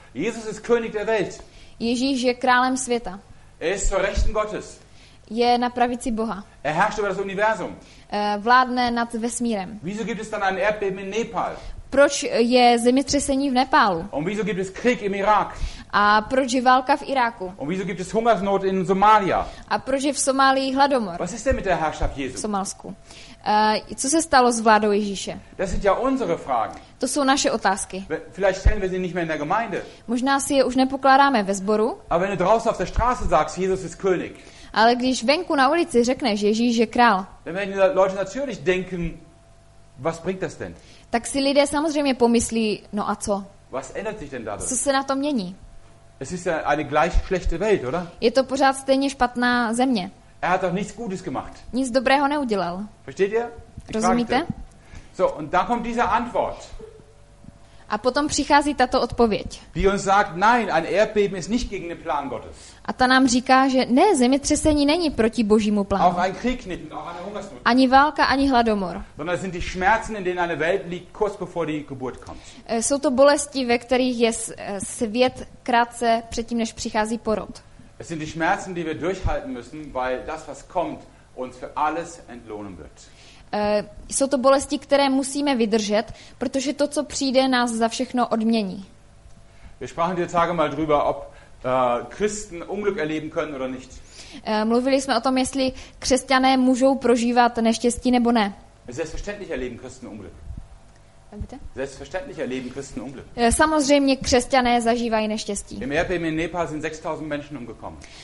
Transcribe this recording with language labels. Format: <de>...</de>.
<de>Jesus ist König der Welt.</de> <cs>Ježíš je králem světa.</cs> <de>Er ist zur Rechten Gottes.</de> <cs>Je na pravici Boha.</cs> <de>Er herrscht über das Universum.</de> <cs>Vládne nad vesmírem.</cs> <de>Wieso gibt es dann ein Erdbeben in Nepal?</de> <cs>Proč je zemětřesení v Nepálu?</cs> <de>Und wieso gibt es Krieg im Irak?</de> <cs>A proč je válka v Iráku?</cs> <de>Und wieso gibt es Hungersnot in Somalia?</de> <cs>A proč je v Somálii hladomor?</cs> <de>Was ist denn mit der Herrschaft Jesu?</de> <cs>V Somalsku. Co se stalo s vládou Ježíše?</cs> <de>Das sind ja unsere Fragen.</de> <cs>To jsou naše otázky.</cs> <de>Vielleicht stellen wir sie nicht mehr in der Gemeinde.</de> <cs>Možná si je už nepokládáme ve sboru.</cs> <de>Aber wenn du draußen auf der Straße sagst, Jesus ist König.</de> <cs>Ale když venku na ulici řekneš, Ježíš je král.</cs> <de>Dann werden die Leute natürlich denken, was bringt das denn?</de> <cs>Tak si lidé samozřejmě pomyslí, no a co?</cs> <de>Was ändert sich denn dadurch?</de> <cs>Co se na to mění?</cs> <de>Es ist ja eine gleich schlechte Welt, oder?</de> <cs>Je to pořád stejně špatná země.</cs> <de>Er hat doch nichts Gutes gemacht.</de> <cs>Nic dobrého neudělal.</cs> <de>Versteht ihr?</de> <cs>Rozumíte?</cs> <de>So, und da kommt diese Antwort.</de> <cs>A potom přichází tato odpověď.</cs> <de>Die uns sagt, nein, ein Erdbeben ist nicht gegen den Plan Gottes.</de> <cs>A ta nám říká, že ne, zemětřesení není proti Božímu plánu.</cs> <de>Auch ein Krieg nicht, auch eine Hungersnot.</de> <cs>Ani válka, ani hladomor.</cs> <de>Sondern es sind die Schmerzen, in denen eine Welt liegt, kurz bevor die Geburt kommt.</de> <cs>Jsou to bolesti, ve kterých je svět krátce předtím, než přichází porod.</cs> <de>Es sind die Schmerzen, die wir durchhalten müssen, weil das, was kommt, uns für alles entlohnen wird.</de> <cs>Jsou to bolesti, které musíme vydržet, protože to, co přijde, nás za všechno odmění.</cs> <de>Wir sprachen die Tage mal drüber, ob Christen Unglück erleben können oder nicht.</de> <cs>Mluvili jsme o tom, jestli křesťané můžou prožívat neštěstí nebo ne.</cs> <de>Selbstverständlich erleben Christen Unglück. Selbstverständlich erleben Christen Unglück.</de> <cs>Samozřejmě křesťané zažívají neštěstí.</cs> <de>Im Erdbeben in Nepal sind 6000 Menschen umgekommen.</de>